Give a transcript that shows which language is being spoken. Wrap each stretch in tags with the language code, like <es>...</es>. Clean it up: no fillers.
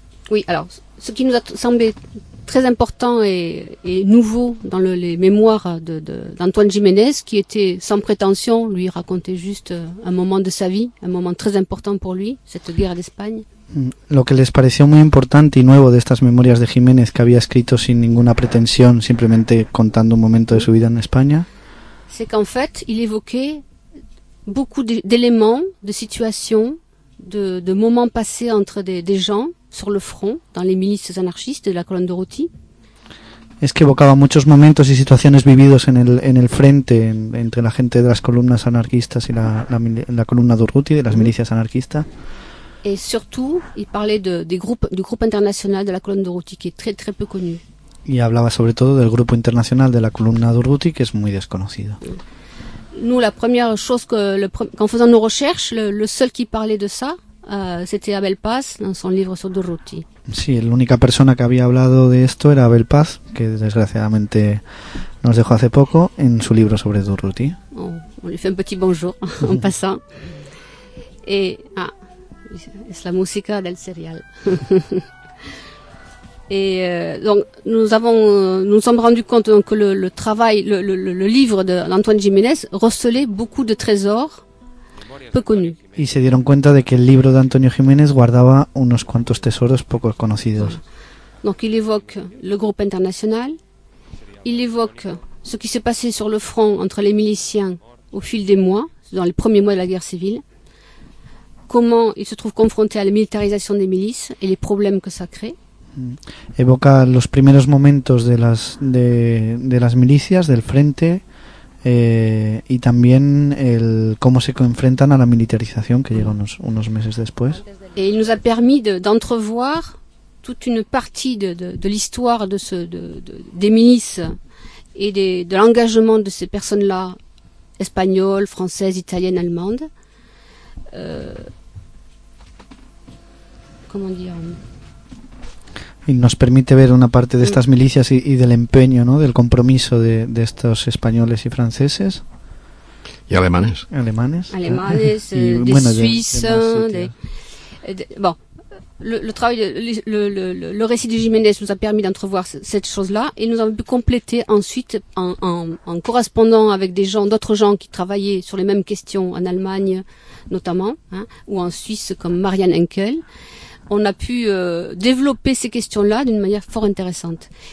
<fr>Oui, alors, ce qui nous a semblé très important et nouveau dans les mémoires d'Antoine Jiménez, qui était sans prétention, lui racontait juste un moment de sa vie, un moment très important pour lui, cette guerre d'Espagne.</fr> <es>Lo que les pareció muy importante y nuevo de estas memorias de Jiménez, que había escrito sin ninguna pretensión, simplemente contando un momento de su vida en España,</es> <fr>c'est qu'en fait, il évoquait beaucoup d'éléments, de situations, de moments passés entre des gens sur le front, dans les milices anarchistes de la colonne de Roty.</fr> <es>Es que evocaba muchos momentos y situaciones vividos en el frente, entre la gente de las columnas anarquistas y la columna de Roty, de las milicias anarquistas.</es> <fr>Et surtout, il parlait du groupe international de la colonne de Roty, qui est très très peu connu.</fr> <es>Y hablaba sobre todo del grupo internacional de la columna de Roty, que es muy desconocido.</es> <fr>Nous, la première chose qu'en faisant nos recherches, le seul qui parlait de ça, c'était Abel Paz, dans son livre sur de Roty.</fr> <es>Sí, la única persona que había hablado de esto era Abel Paz, que desgraciadamente nos dejó hace poco, en su libro sobre de Roty.</es> <fr>Oh, on lui fait un petit bonjour, en passant. Et, ah,</fr> <es>es la música del serial.</es> <fr>Et donc nous sommes rendus compte donc que le travail, le livre de Antoine Jiménez recelait beaucoup de trésors peu connus.</fr> <es>Y se dieron cuenta de que el libro de Antonio Jiménez guardaba unos cuantos tesoros poco conocidos.</es> <fr>Donc il évoque le groupe international, il évoque ce qui s'est passé sur le front entre les miliciens au fil des mois, dans les premiers mois de la guerre civile. Comment il se trouve confronté à la militarisation des milices et les problèmes que ça crée.</fr> <es>Évoque los primeros momentos de las milicias del frente y también el cómo se enfrentan a la militarización que llega unos meses después.</es> <fr>Et il nous a permis d'entrevoir toute une partie de l'histoire des milices et de l'engagement de ces personnes-là espagnoles, françaises, italiennes, allemandes. Comment dire,</fr> <es>y nos permite ver una parte de estas milicias y del empeño, ¿no?, del compromiso de estos españoles y franceses. Y alemanes. Alemanes, y, de bueno, Suiza, de bon.</es> <fr>Le travail, le récit de Jiménez nous a permis d'entrevoir cette chose-là, et nous avons pu compléter ensuite en correspondant avec des gens, d'autres gens qui travaillaient sur les mêmes questions en Allemagne notamment, hein, ou en Suisse comme Marianne Henkel. On a pu développer ces questions-là d'une manière fort intéressante.</fr>